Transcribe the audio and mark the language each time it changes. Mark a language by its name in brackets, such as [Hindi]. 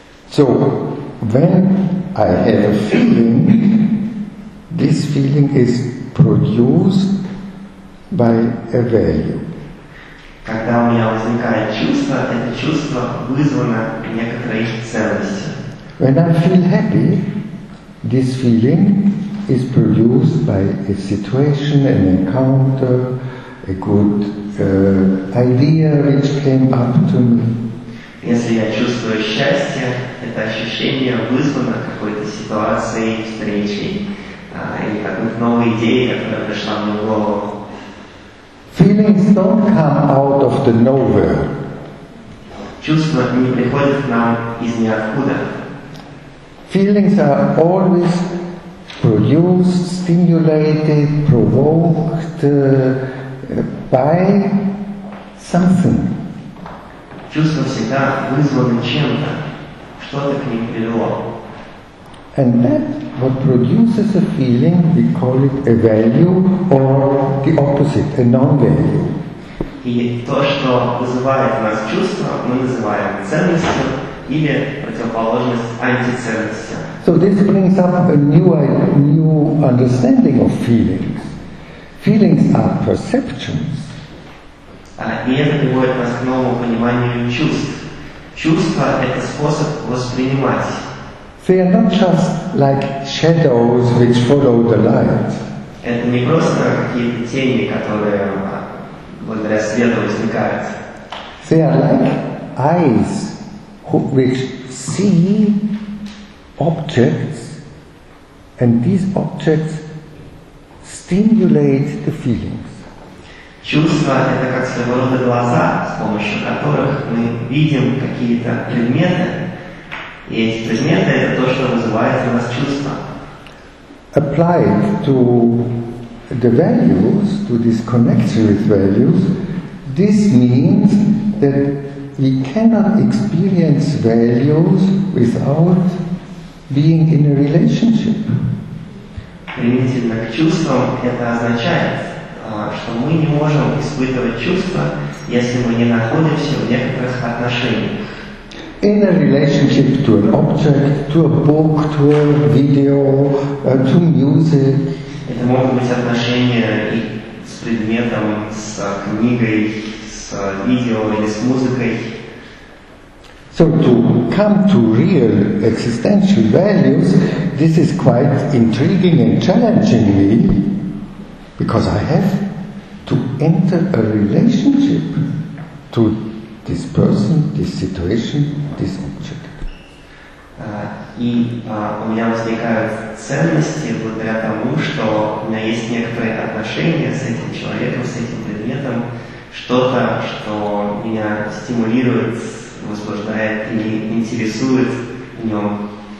[English] So, when I have a feeling, this feeling is produced by a value. [Russian] Когда у меня возникает чувство, это чувство вызвано некоторой ценностью. [English] When I feel happy, this feeling is produced by a situation, an encounter, a good idea which came up to me. [Russian] Если я чувствую счастье, это ощущение вызвано какой-то ситуацией, встречей, или какой-то новой идеей, которая пришла мне в голову. [English] Feelings don't come out of the nowhere. [Russian] Чувства не приходят к нам из ниоткуда. [English] Feelings are always produced, stimulated, provoked by something. [Russian] Чувства всегда вызваны чем-то, что-то к ним привело. [English] And that what produces a feeling, we call it a value, or the opposite, a non-value. [Russian] И то, что вызывает у нас чувство, мы называем ценностью. Или противоположность антиценности. [English] So this brings up a new understanding of feelings. Feelings are perceptions. [Russian] И это приводит нас к новому пониманию чувств. Чувства — это способ воспринимать. [English] They are not just like shadows which follow the light. [Russian] Это не просто какие-то тени, которые благодаря свету возникают. [English] They are like eyes, which see objects, and these objects stimulate the feelings. [Russian] Чувства — это как своего рода глаза, с помощью которых мы видим какие-то предметы. И эти предметы — это то, что вызывает у нас чувства. [English] Applied to the values, to this connection with values, this means that we cannot experience values without being in a relationship. [Russian] Применительно к чувствам это означает, что мы не можем испытывать чувства, если мы не находимся в некоторых отношениях. [English] In a relationship to an object, to a book, to a video, to music. [Russian] Это могут быть отношения и с предметом, с книгой, с видео или с музыкой. [English] So to come to real existential values, this is quite intriguing and challenging me, because I have to enter a relationship to this person, this situation, this object. [Russian] И у меня возникают ценности благодаря тому, что у меня есть некоторые отношения с этим человеком, с этим предметом, что-то, что меня стимулирует, возбуждает и интересует в нем.